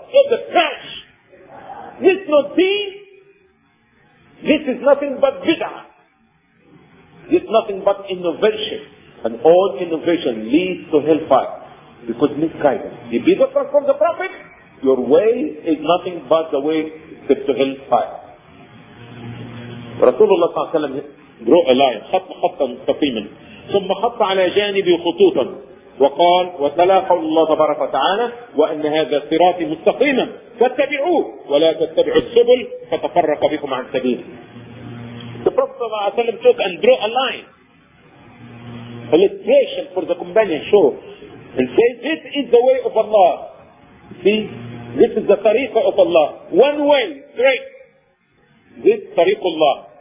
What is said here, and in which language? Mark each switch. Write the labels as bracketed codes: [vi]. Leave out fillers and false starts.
[en] It's a trash. This is not deen. This is nothing but bid'ah. This is nothing but innovation. And all innovation leads to hellfire. Because misguidance. You be different from the Prophet, your way is nothing but the way to hellfire. Rasulullah sallallahu alayhi wa sallam, draw a line, [ar] خط مستقيم ثم خط على جانبي خطوطا وقال وتلا قول الله تبارك وتعالى وأن هذا صراطي مستقيما فاتبعوه ولا تتبعوا السبل فتفرق بكم عن سبيله. [en] The Prophet [ar] صلى الله عليه وسلم [en] took and drew a line, illustration for the companionship, and said, "This is the way of Allah. See, this is the tariqa of Allah. One way, straight. This tariqa Allah.